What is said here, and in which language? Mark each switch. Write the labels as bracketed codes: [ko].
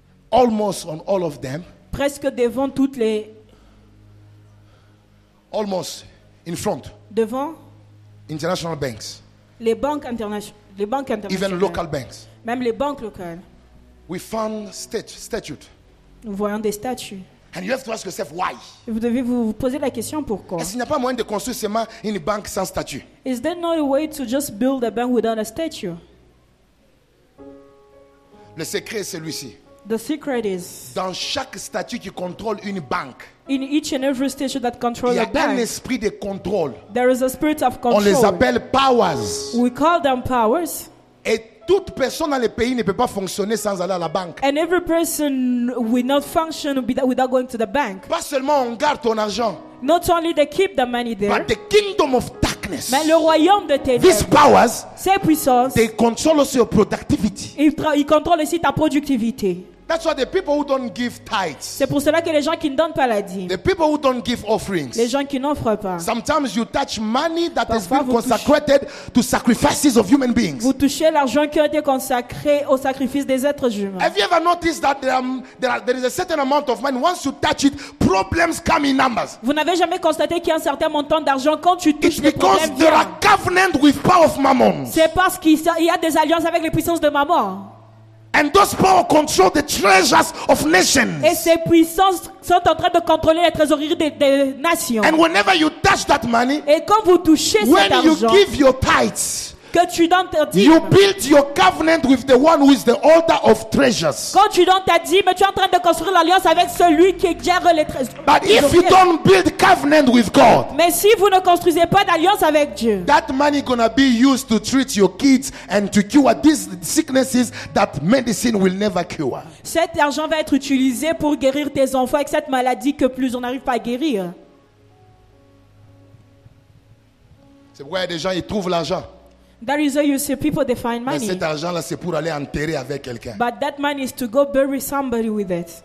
[en] Almost on all of them. [fr] Presque devant toutes les [en] almost in front. [fr] Devant [en] international banks. [fr] Les banques internationales, les banques internationales. [en] Even local banks. [fr] Même les banques locales. [en] We found statute. [fr] Nous voyons des statues. [en] And you have to ask yourself why. [fr] Vous devez vous poser la question pourquoi. Est-ce qu'il n'y a pas moyen de construire seulement une banque sans statue? [en] Is there no way to just build a bank without a statue? [fr] Le secret est celui-ci. [en] The secret is. [fr] Dans chaque statue qui contrôle une banque. [en] In each and every statue that controls a bank. [fr] Il y a un esprit de contrôle. [en] There is a spirit of control. [fr] On les appelle [en] powers. We call them powers. [fr] Et toute personne dans le pays ne peut pas fonctionner sans aller à la banque. [en] And every person will not function without going to the bank. [fr] Pas seulement on garde ton argent. [en] Not only they keep the money there. But the kingdom of darkness. [fr] Mais le royaume de ténèbres. [en] These powers. [fr] Ces puissances. [en] They control also your productivity. [fr] Ils contrôlent aussi ta productivité. [en] That's why the people who don't give tithes. [fr] C'est pour cela que les gens qui ne donnent pas la dîme. [en] The people who don't give offerings. [fr] Les gens qui n'offrent pas. [en] Sometimes you touch money that has been consecrated to sacrifices of human beings. [fr] Vous touchez l'argent qui a été consacré au sacrifice des êtres humains. [en] Have you ever noticed that there is a certain amount of money once you touch it, problems come in numbers. [fr] Vous n'avez jamais constaté qu'il y a un certain montant d'argent quand tu touches les problèmes viennent. [en] It's because there are covenant with power of mammon. [fr] C'est parce qu'il y a des alliances avec les puissances de mammon. [en] And those powers control the treasures of nations. [fr] Et ces puissances sont en train de contrôler les trésoreries des nations. [en] And whenever you touch that money, [fr] et quand vous touchez [en] when [fr] cet argent, [en] you give your tithes, [fr] que tu donnes ta dîme, [en] you build your covenant with the one who is the holder of treasures. [fr] Quand tu donnes ta dîme, tu es en train de construire l'alliance avec celui qui gère les trésoreries. [en] But if you don't build covenant with God, [fr] mais si vous ne construisez pas d'alliance avec Dieu, [en] that money gonna be used to treat your kids and to cure these sicknesses that medicine will never cure. [fr] Cet argent va être utilisé pour guérir tes enfants avec cette maladie que plus on n'arrive pas à guérir. C'est pourquoi il y a des gens ils trouvent l'argent. [en] That is how you see people define money. [fr] Mais cet argent-là, c'est pour aller enterrer avec quelqu'un. [en] But that money is to go bury somebody with it.